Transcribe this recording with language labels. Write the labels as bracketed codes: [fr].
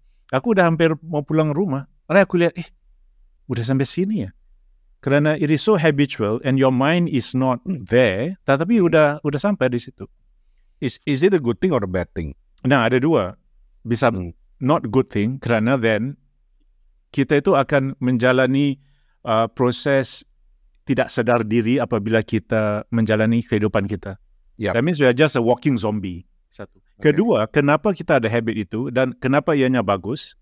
[id] Aku udah hampir mau pulang rumah. Lalu aku lihat, udah sampai sini ya. [en] Kerana it is so habitual and your mind is not there. [id] Tetapi udah sampai di situ. [en] Is it a good thing or a bad thing? [ms] Nah, ada dua. Bisa [en] not good thing, [ms] kerana then kita itu akan menjalani proses tidak sedar diri apabila kita menjalani kehidupan kita. [en] Yep. That means we are just a walking zombie. [ms] Satu. Kedua, okay. Kenapa kita ada habit itu dan kenapa ianya bagus?